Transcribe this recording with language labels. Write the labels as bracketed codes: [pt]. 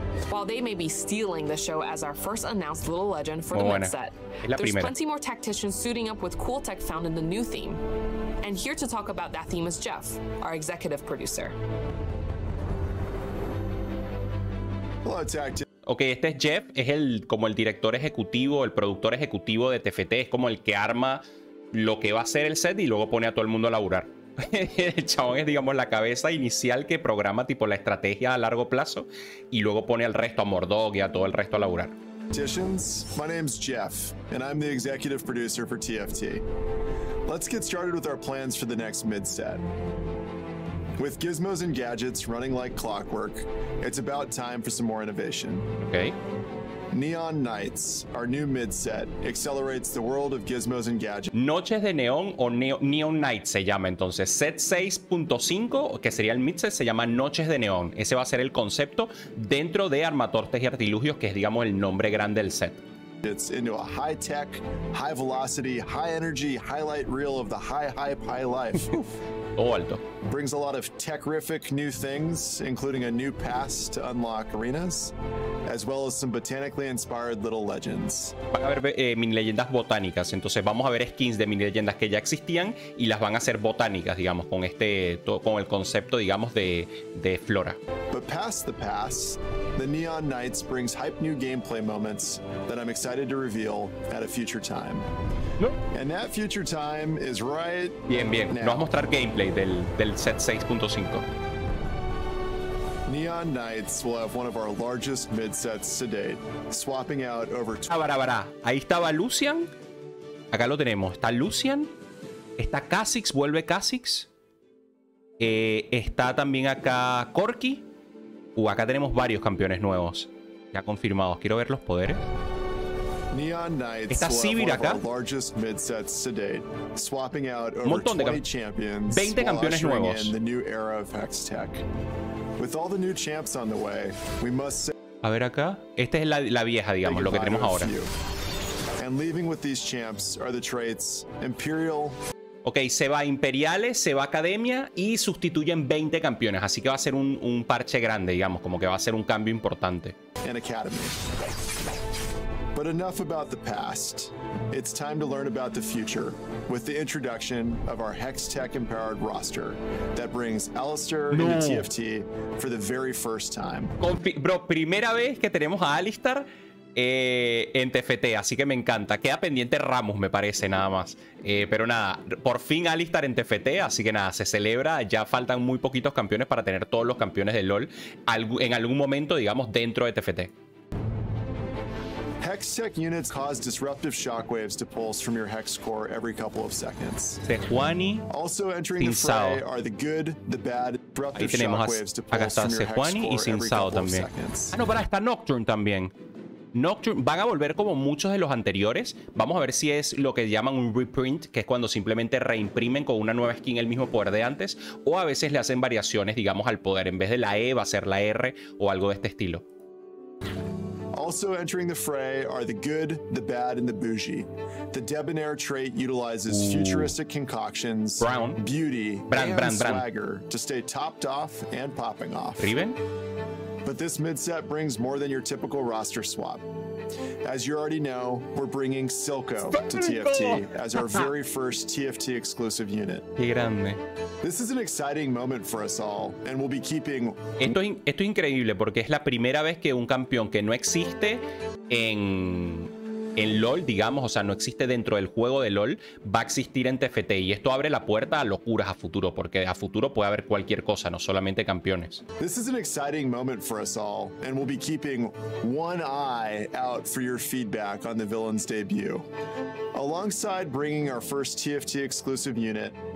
[en] While they may be stealing the show as our first announced little legend for the mid-set, there's [es] primera. [en] Plenty more tacticians suiting up with cool tech found in the new theme. And here to talk about that theme is Jeff, our executive producer. Hello, tactician. [es] Ok, este es Jeff, es el como el director ejecutivo, el productor ejecutivo de TFT, es como el que arma lo que va a ser el set y luego pone a todo el mundo a laburar. El chabón es, digamos, la cabeza inicial que programa tipo la estrategia a largo plazo y luego pone al resto, a Mordog y a todo el resto, a laburar. [en] My name's Jeff and I'm the executive producer for TFT. Let's get started with our plans for the next mid-set. With gizmos and gadgets running like clockwork, it's about time for some more innovation. Okay. Neon Nights, our new mid-set, accelerates the world of gizmos and gadgets. [es] Noches de neón o Neon Nights se llama entonces. Set 6.5, que sería el mid-set, se llama Noches de Neón. Ese va a ser el concepto dentro de Armatortes y Artilugios, que es, digamos, el nombre grande del set. [en] It's into a high tech, high velocity, high energy highlight reel of the high hype, high life. [es] Todo alto. [en] Brings a lot of tech-rific new things, including a new pass to unlock arenas, as well as some botanically inspired little legends. [es] Van a haber mini leyendas botánicas, entonces vamos a ver skins de mini leyendas que ya existían y las van a hacer botánicas, digamos, con este todo, con el concepto, digamos, de flora. [en] But past the pass, the Neon Knights brings hype new gameplay moments that I'm excited to reveal at a future time. [es] No. [en] And that future time is right. [es] Bien, bien. [en] Now. [es] Nos va a mostrar gameplay del set 6.5. [en] Neon Knights will have one of our largest midsets to date, swapping out over. [es] Abra. Ahí estaba Lucian. Acá lo tenemos. Está Lucian. Está Kha'Zix. Vuelve Kha'Zix. Está también acá Corki. Acá tenemos varios campeones nuevos ya confirmados. Quiero ver los poderes. [en] Neon Knights. [es] Está Subir acá. [en] Largest midsets to date, swapping out over 20 champions. [es] 20 campeones nuevos. [en] The new era of Hextech. With all the new champs on the way, we must say. [es] A ver acá. Esta es la vieja, digamos, lo que tenemos ahora. [en] And leaving with these champs are the traits Imperial. [es] Ok, se va Imperiales, se va Academia y sustituyen 20 campeones. Así que va a ser un parche grande, digamos, como que va a ser un cambio importante. [en] And Academy. But enough about the past. It's time to learn about the future with the introduction of our Hextech empowered roster that brings Alistair [es] no. [en] into TFT for the very first time. [es] Bro, primera vez que tenemos a Alistair en TFT, así que me encanta. Queda pendiente Ramos, me parece, nada más. Pero nada, por fin Alistair en TFT, así que nada, se celebra. Ya faltan muy poquitos campeones para tener todos los campeones de LoL en algún momento, digamos, dentro de TFT. [en] Hextech units cause disruptive shockwaves to pulse from your hex core every couple of seconds. Sejuani. Also entering the fray are the good, the bad, disruptive shockwaves to pulse from your hex core [es] y [en] every couple [es] también. [en] Of seconds. [es] Ah, no, para esta Nocturne también. Nocturne, van a volver como muchos de los anteriores. Vamos a ver si es lo que llaman un reprint, que es cuando simplemente reimprimen con una nueva skin el mismo poder de antes, o a veces le hacen variaciones, digamos, al poder. En vez de la E va a ser la R o algo de este estilo. [en] Also entering the fray are the good, the bad, and the bougie. The debonair trait utilizes futuristic concoctions, Brown. Beauty, brand, swagger to stay topped off and popping off. Riven? But this midset brings more than your typical roster swap. As you already know, we're bringing Silco to TFT as our very first TFT exclusive unit. [es] Qué grande. [en] This is an exciting moment for us all, and we'll be keeping. [es] Esto es increíble porque es la primera vez que un campeón que no existe en LOL, digamos, o sea, no existe dentro del juego de LOL, va a existir en TFT. Y esto abre la puerta a locuras a futuro, porque a futuro puede haber cualquier cosa, no solamente campeones. [en] This is an exciting moment for us all, and we'll be keeping one eye out for your feedback on the villain's debut. Alongside bringing our first TFT exclusive unit,